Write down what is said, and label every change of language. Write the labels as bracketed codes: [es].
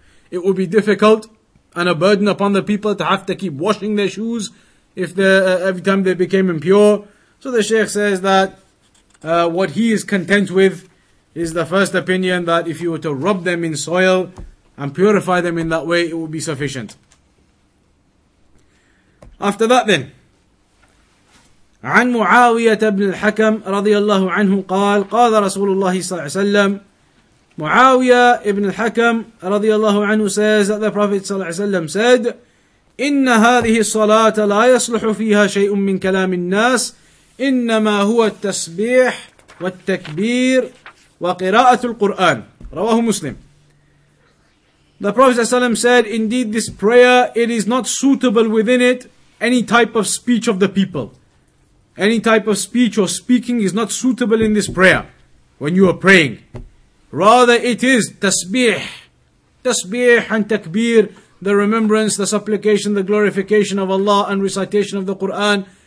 [en] It would be difficult and a burden upon the people to have to keep washing their shoes if every time they became impure. So the Shaykh says that what he is content with is the first opinion, that if you were to rub them in soil and purify them in that way, it would be sufficient. After that then, [ar] عن معاوية بن الحكم رضي الله عنه قال قال رسول الله صلى الله عليه وسلم معاوية بن الحكم رضي الله عنه [en] says that the Prophet [ar] صلى الله عليه وسلم said إن هذه الصلاة لا يصلح فيها شيء من كلام الناس إنما هو التسبيح والتكبير وقراءة القرآن رواه مسلم. [en] The Prophet [ar] صلى الله عليه وسلم [en] said indeed this prayer, it is not suitable within it any type of speech of the people. Any type of speech or speaking is not suitable in this prayer, when you are praying. Rather it is tasbih. Tasbih and takbir, the remembrance, the supplication, the glorification of Allah and recitation of the Qur'an.